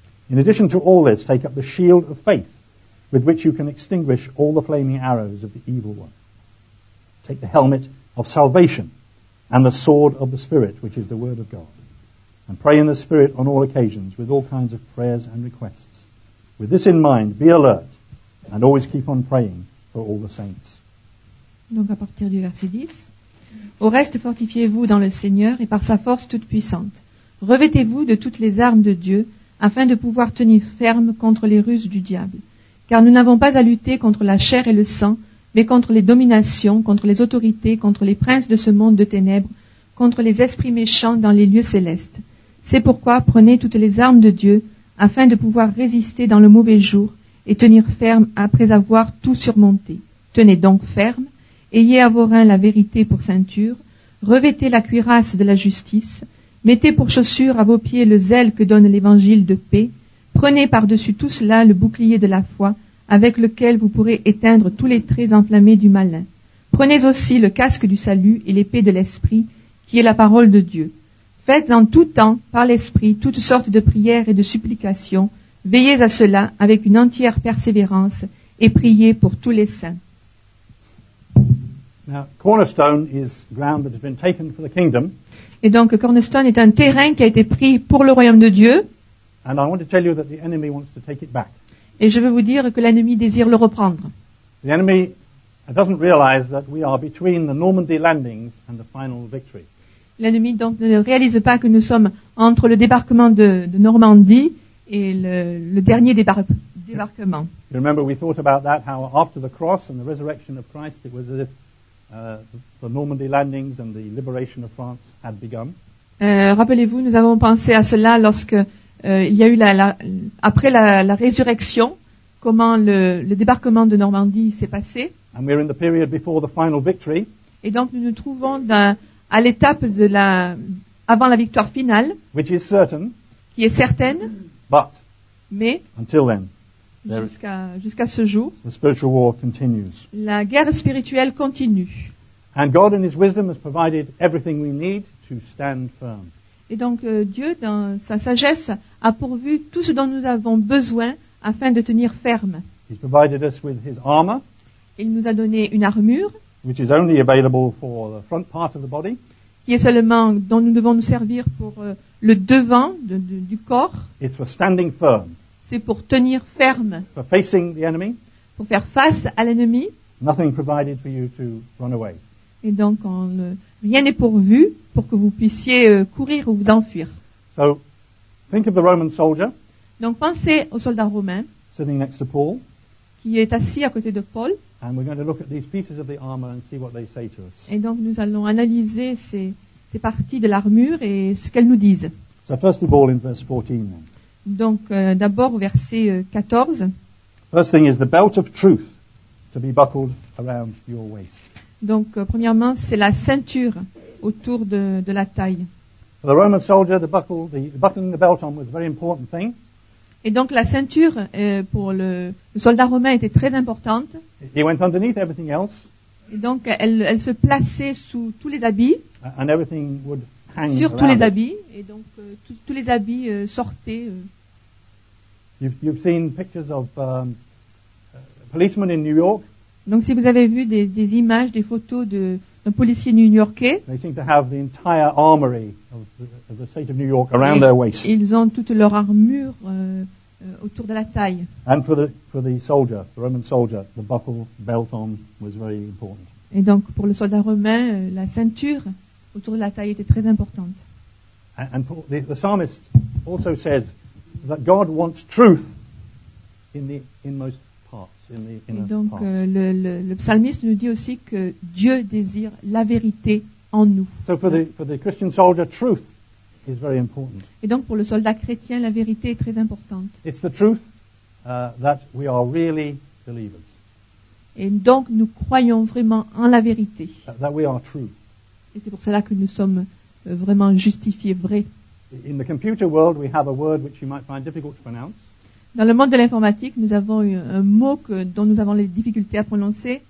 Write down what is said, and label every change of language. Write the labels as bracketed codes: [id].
[en] In addition to all this, take up the shield of faith, with which you can extinguish all the flaming arrows of the evil one. Take the helmet of salvation and the sword of the Spirit, which is the word of God, and pray in the Spirit on all occasions, with all kinds of prayers and requests. With this in mind, be alert, and always keep on praying for all the saints. [fr] Donc à partir du verset 10. Au reste, fortifiez-vous dans le Seigneur et par sa force toute puissante. Revêtez-vous de toutes les armes de Dieu afin de pouvoir tenir ferme contre les ruses du diable. Car nous n'avons pas à lutter contre la chair et le sang, mais contre les dominations, contre les autorités, contre les princes de ce monde de ténèbres, contre les esprits méchants dans les lieux célestes. C'est pourquoi prenez toutes les armes de Dieu afin de pouvoir résister dans le mauvais jour et tenir ferme après avoir tout surmonté. Tenez donc ferme, ayez à vos reins la vérité pour ceinture, revêtez la cuirasse de la justice, mettez pour chaussure à vos pieds le zèle que donne l'évangile de paix, prenez par-dessus tout cela le bouclier de la foi avec lequel vous pourrez éteindre tous les traits enflammés du malin. Prenez aussi le casque du salut et l'épée de l'esprit qui est la parole de Dieu. Faites en tout temps, par l'esprit, toutes sortes de prières et de supplications. Veillez à cela avec une entière persévérance et priez pour tous les saints. [en] Now, Cornerstone is ground that has been taken for the kingdom. [fr] Et donc, Cornerstone est un terrain qui a été pris pour le royaume de Dieu. [en] And I want to tell you that the enemy wants to take it back. [fr] Et je veux vous dire que l'ennemi désire le reprendre. [en] The enemy doesn't realize that we are between the Normandy landings and the final victory. [fr] L'ennemi donc ne réalise pas que nous sommes entre le débarquement de Normandie et le dernier débarquement. [en] You remember we thought about that, how after the cross and the resurrection of Christ, it was as if the Normandy landings and the liberation of France had begun. [fr] Rappelez-vous, nous avons pensé à cela lorsque il y a eu après la résurrection, comment le débarquement de Normandie s'est passé. [en] And we're in the period before the final victory. [fr] Et donc nous nous trouvons à l'étape de la avant la victoire finale, [en] which is certain, [fr] qui est certaine, [en] but, [fr] mais [en] until then, [fr] jusqu'à ce jour, [en] the spiritual war continues. [fr] La guerre spirituelle continue. [en] And God in His wisdom has provided everything we need to stand firm. [fr] Et donc Dieu, dans sa sagesse, a pourvu tout ce dont nous avons besoin afin de tenir ferme. [en] He's provided us with His armor. [fr] Il nous a donné une armure. [en] Which is only available for the front part of the body. [fr] Qui est seulement dont nous devons nous servir pour le devant du corps. [en] It's for standing firm. [fr] C'est pour tenir ferme. [en] For facing the enemy. [fr] Pour faire face à l'ennemi. [en] Nothing provided for you to run away. [fr] Et donc rien n'est pourvu pour que vous puissiez courir ou vous enfuir. [en] So, think of the Roman soldier. [fr] Donc pensez au soldat romain. [en] Sitting next to Paul. [fr] Qui est assis à côté de Paul. [en] And we're going to look at these pieces of the armor and see what they say to us. [fr] Et donc nous allons analyser ces parties de l'armure et ce qu'elles nous disent. [en] So first of all, in verse 14. Then. [fr] Donc d'abord au verset 14. [en] First thing is the belt of truth to be buckled around your waist. [fr] Donc premièrement, c'est la ceinture autour de la taille. [en] For the Roman soldier, buckling the belt on was a very important thing. [fr] Et donc la ceinture pour le soldat romain était très importante. [en] He went underneath everything else. [fr] Et donc elle se plaçait sous tous les habits. [en] And everything would hang [fr] sur tous les habits. Et donc tous les habits sortaient. [en] You've seen pictures of policemen in New York. [fr] Donc si vous avez vu des images, des photos d'un policier new-yorkais. [en] They seem to have the entire armory of the state of New York around their waist. [fr] Ils ont toute leur armure autour de la taille. [en] And for the soldier, the Roman soldier, the buckle belt on was very important. [fr] Et donc pour le soldat romain, la ceinture autour de la taille était très importante. [en] And the psalmist also says that God wants truth in the inmost. [fr] Et donc le psalmiste nous dit aussi que Dieu désire la vérité en nous. [en] So for the Christian soldier, truth is very important. [fr] Et donc pour le soldat chrétien, la vérité est très importante. [en] It's the truth that we are really believers. [fr] Et donc nous croyons vraiment en la vérité. [en] That we are true. [fr] Et c'est pour cela que nous sommes vraiment justifiés, vrais. [en] In the computer world, we have a word which you might find difficult to pronounce. [fr] Dans le monde de l'informatique, nous avons un mot dont nous avons les difficultés à prononcer.